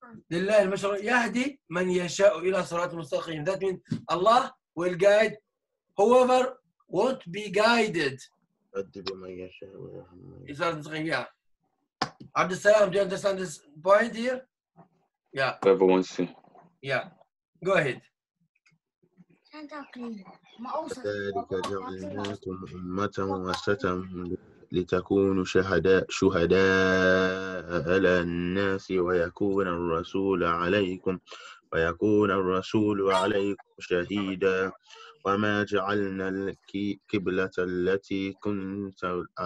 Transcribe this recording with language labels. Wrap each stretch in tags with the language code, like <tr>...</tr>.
<ar>لله المشروع يهدي من يشاء إلى صراط مستقيم.</ar> <en>That means Allah will guide whoever won't be guided.</en> <ar>يهدي من يشاء إلى صراط مستقيم. Yeah.</ar> <en>Abdul Salam, do you understand this point here? Yeah. Whoever wants to. Yeah. Go ahead.</en> <ar>كذلك جعلناكم أمة وسطا لتكونوا شهداء على الناس ويكون الرسول عليكم شهيدا وما جعلنا القبلة التي كنت</ar>